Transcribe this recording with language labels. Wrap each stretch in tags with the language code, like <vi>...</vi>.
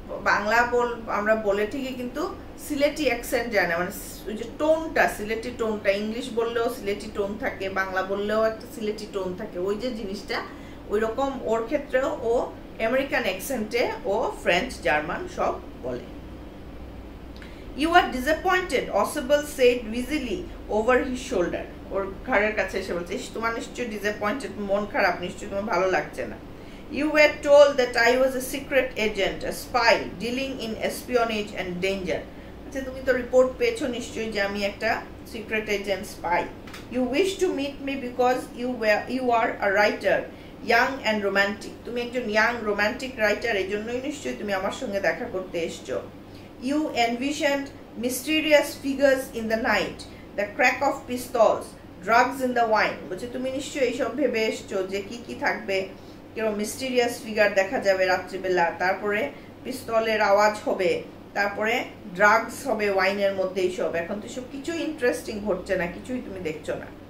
<bn>বাংলা বল আমরা বলে ঠিকই কিন্তু সিলেটি অ্যাকসেন্ট যায় না, মানে ওই যে টোনটা সিলেটি টোনটা, ইংলিশ বললেও সিলেটি টোন থাকে, বাংলা বললেও একটা সিলেটি টোন থাকে, ওই যে জিনিসটা ওই রকম ওর ক্ষেত্রেও ও আমেরিকান অ্যাকসেন্টে ও ফ্রেঞ্চ জার্মান সব বলে।</bn> <en>you are disappointed, Osabel said wheezily over his shoulder,</en> <bn>ওর ঘরের কাছে এসে বলছে তোমার নিশ্চয়ই ডিসঅ্যাপয়েন্টেড, মন খারাপ, নিশ্চয়ই তোমার ভালো লাগছে না।</bn> <en>You were told that I was a secret agent, a spy, dealing in espionage and danger.</en> <bn>আচ্ছা, তুমি তো রিপোর্ট পেয়েছো নিশ্চয়ই যে আমি একটা secret agent spy.</bn> <en>you wish to meet me because you are a writer, young and romantic,</en> <bn>তুমি একজন ইয়াং রোম্যান্টিক রাইটার, এই জন্যই নিশ্চয়ই তুমি আমার সঙ্গে দেখা করতে এসছো।</bn> <en>you envisioned mysterious figures in the night, the crack of pistols, drugs in the wine,</en> <bn>বলছে তুমি নিশ্চয়ই এইসব ভেবে এসছো যে কী কী থাকবে, কেউ মিস্টিরিয়াস ফিগার দেখা যাবে রাত্রিবেলা, তারপরে পিস্তলের আওয়াজ হবে, তারপরে ড্রাগস হবে ওয়াইনের মধ্যে এইসব, এখন তো সব কিছুই ইন্টারেস্টিং ঘটছে না, কিছুই তুমি দেখছো না।</bn>